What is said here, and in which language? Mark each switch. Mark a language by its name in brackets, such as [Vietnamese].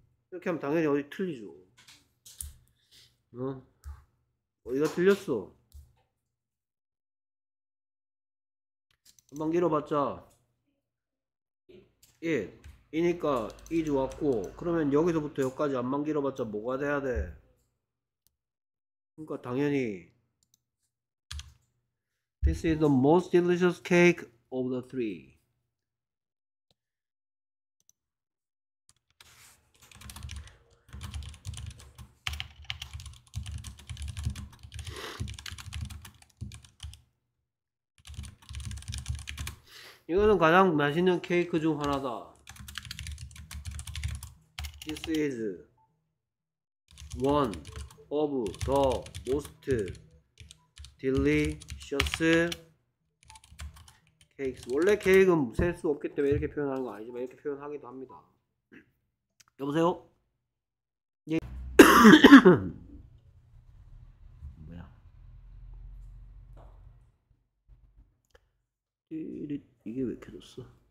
[Korean] 이렇게 하면 당연히 어디 틀리죠. 어? 어디가 틀렸어? 한번 길어봤자 it 이니까 is 왔고, 그러면 여기서부터 여기까지 한번 길어봤자 뭐가 돼야 돼? 그러니까 당연히 [English] this is the most delicious cake of the three. [Korean] 이거는 가장 맛있는 케이크 중 하나다. [English] This is one of the most delicious 케이크. [Korean] 원래 케이크는 셀 수 없기 때문에 이렇게 표현하는 거 아니지만 이렇게 표현하기도 합니다. 여보세요? 예. 뭐야? 이게 왜 이렇게 됐어?